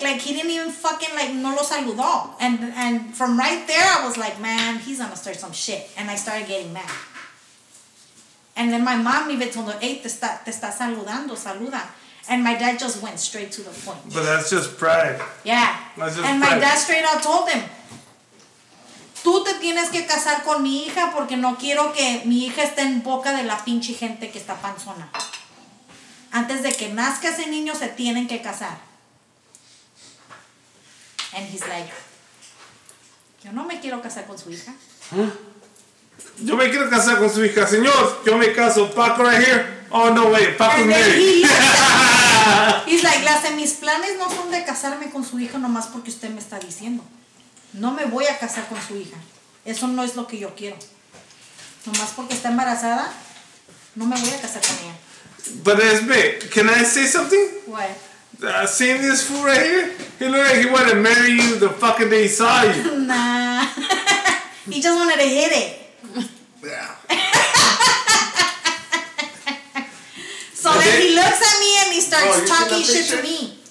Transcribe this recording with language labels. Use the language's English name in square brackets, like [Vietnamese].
[English] Like, he didn't even fucking, like, [Spanish] no lo saludó. [English] And from right there, I was like, man, he's gonna start some shit. And I started getting mad. And then my mom even told him, hey, [Spanish] te está saludando, saluda. [English] And my dad just went straight to the point. But that's just pride. Yeah. That's just and pride. [Spanish] My dad straight out told him, tú te tienes que casar con mi hija porque no quiero que mi hija esté en boca de la pinche gente que está panzona. Antes de que nazca ese niño, se tienen que casar. [English] And he's like, [Spanish] yo no me quiero casar con su hija. Yo me quiero casar con su hija, señor. Yo me caso. [English] Paco right here. Oh, no way. Paco and married. He he's like, [Spanish] las de mis planes no son de casarme con su hija nomás porque usted me está diciendo. No me voy a casar con su hija. Eso no es lo que yo quiero. Nomás porque está embarazada, no me voy a casar con ella. [English] But Esme, can I say something? What? Seeing this fool right here, he looked like he wanted to marry you the fucking day he saw you. Nah. He just wanted to hit it. Yeah. So then he looks at me and he starts talking shit to me.